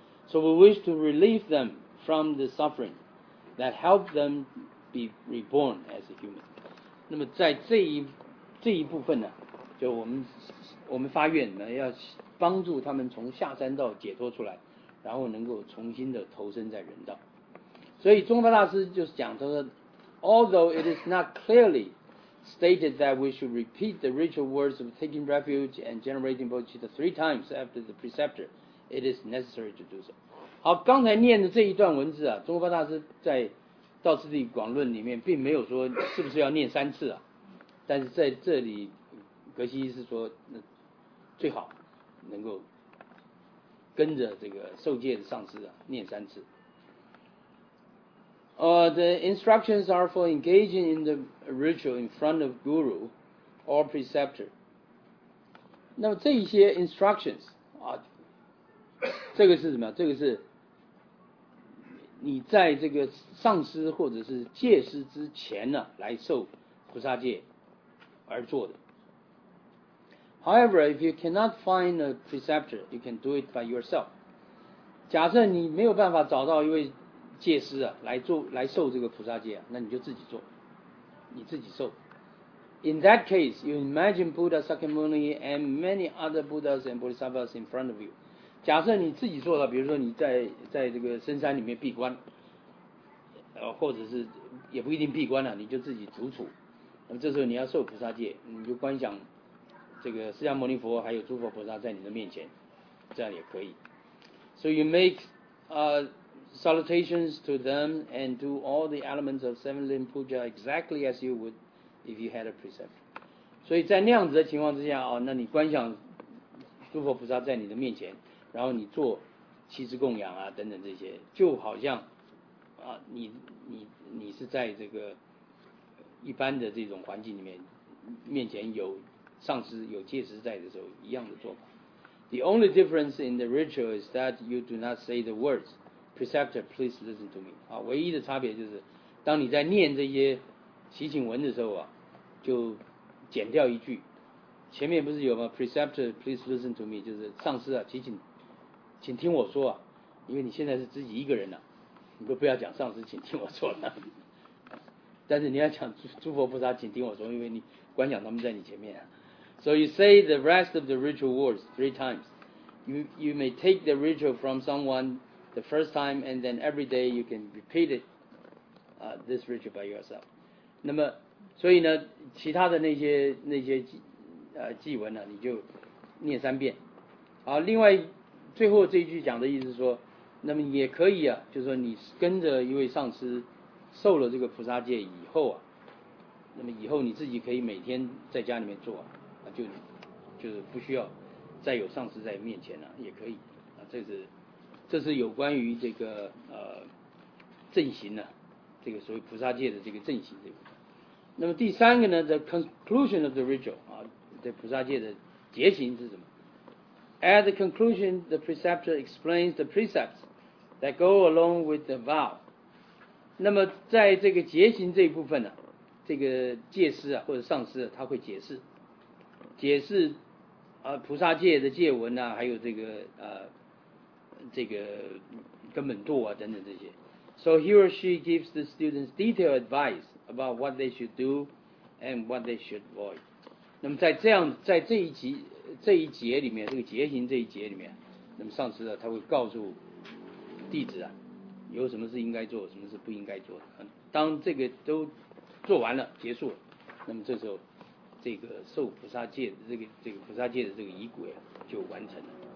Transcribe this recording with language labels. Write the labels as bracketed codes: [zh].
[en] So we wish to relieve them from the suffering that help them。 be reborn as a human。 [zh] 那么在这一部分呢，就我们发愿呢，要帮助他们从下三道解脱出来，然后能够重新的投身在人道。所以中发大师就是讲，他说 [en] although it is not clearly stated that we should repeat the ritual words of taking refuge and generating bodhicitta three times after the preceptor it is necessary to do so。 [zh] 好，刚才念的这一段文字啊，中发大师在道次第广论里面并没有说是不是要念三次啊，但是在这里格西是说最好能够跟着这个受戒的上师啊念三次。 [en] The instructions are for engaging in the ritual in front of guru or preceptor. [zh] 那么这一些 instructions 啊，这个是什么？这个是你在这个上师或者是戒师之前呢、啊、来受菩萨戒而做的。 [en] However, if you cannot find a preceptor, you can do it by yourself. [zh] 假设你没有办法找到一位戒师啊，来受这个菩萨戒啊，那你就自己做，你自己受。 [en] In that case, you imagine Buddha Sakyamuni and many other Buddhas and Bodhisattvas in front of you. [zh] 假设你自己做了，比如说你在这个深山里面闭关，或者是也不一定闭关了、啊，你就自己独处。那么这时候你要受菩萨戒，你就观想这个释迦牟尼佛还有诸佛菩萨在你的面前，这样也可以。 [en] So you make salutations to them and do all the elements of seven limb puja exactly as you would if you had a preceptor. [zh] 所以在那样子的情况之下、哦、那你观想诸佛菩萨在你的面前，然后你做七支供养啊等等这些，就好像啊你是在这个一般的这种环境里面，面前有上师有戒师在的时候一样的做法。 [en] The only difference in the ritual is that you do not say the words. Preceptor, please listen to me. [zh] 啊，唯一的差别就是，当你在念这些祈请文的时候啊，就剪掉一句。前面不是有吗 ？ [en] Preceptor, please listen to me. [zh] 就是上师啊，请听我说啊，因为你现在是自己一个人了、啊，你都不要讲上师，请听我说了。但是你要讲诸佛菩萨，请听我说，因为你观想他们在你前面、啊。 [en] So you say the rest of the ritual words three times. You may take the ritual from someone. The first time, and then every day you can repeat it, this ritual by yourself. [zh] 那么，所以呢，其他的那些偈文呢、啊，你就念三遍。好，另外最后这一句讲的意思是说，那么也可以啊，就是说你跟着一位上师受了这个菩萨戒以后啊，那么以后你自己可以每天在家里面做啊，就是不需要再有上师在面前了、啊，也可以啊，这是有关于这个正行呢、啊，这个所谓菩萨戒的这个正行这个。那么第三个呢 [en] ，the conclusion of the ritual [zh] 啊，这菩萨戒的结行是什么 [en] ？At the conclusion, the preceptor explains the precepts that go along with the vow. [zh] 那么在这个结行这一部分呢、啊，这个戒师啊或者上师、啊、他会解释菩萨戒的戒文啊，还有这个这个根本度啊等等这些。 [en] So he or she gives the students detailed advice about what they should do and what they should avoid. [zh] 那么在这样在这一节里面，这个节行这一节里面，那么上师啊他会告诉弟子啊有什么是应该做，什么是不应该做的。当这个都做完了结束了，那么这时候这个受菩萨戒的这个菩萨戒的这个仪轨、啊、就完成了。